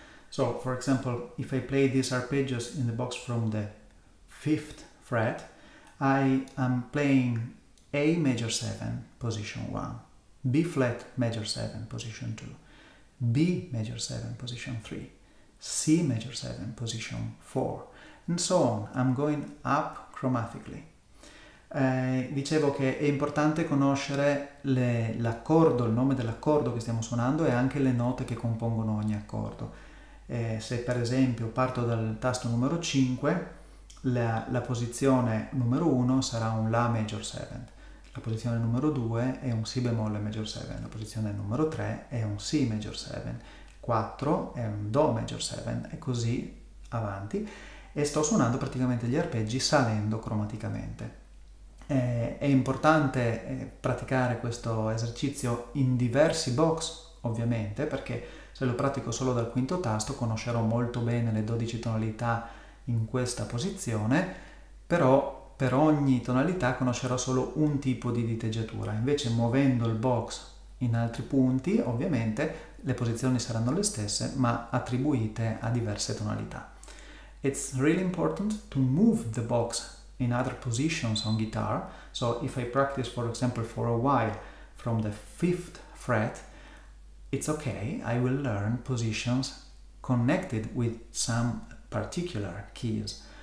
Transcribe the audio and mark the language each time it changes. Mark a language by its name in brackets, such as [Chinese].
[English] So, for example, if I play these arpeggios in the box from the 5th fret, I am playing A major 7 position 1, B flat major 7 position 2, B major 7 position 3, C major 7 position 4, and so on. I'm going up chromatically. [Italian] Dicevo che è importante conoscere l'accordo, il nome dell'accordo che stiamo suonando e anche le note che compongono ogni accordo. Se per esempio parto dal tasto numero 5, la posizione numero 1 sarà un La major 7, la posizione numero 2 è un Si bemolle major 7, la posizione numero 3 è un Si major 7, 4 è un Do major 7 e così avanti, e sto suonando praticamente gli arpeggi salendo cromaticamente. È importante praticare questo esercizio in diversi box, ovviamente, perché se lo pratico solo dal 5° tasto conoscerò molto bene le 12 tonalità in questa posizione, però per ogni tonalità conoscerò solo un tipo di diteggiatura. Invece muovendo il box in altri punti, ovviamente le posizioni saranno le stesse ma attribuite a diverse tonalità. [English] It's really important to move the box in other positions on guitar. So if I practice, for example, for a while from the 5th fret, it's okay, I will learn positions connected with some particular keys.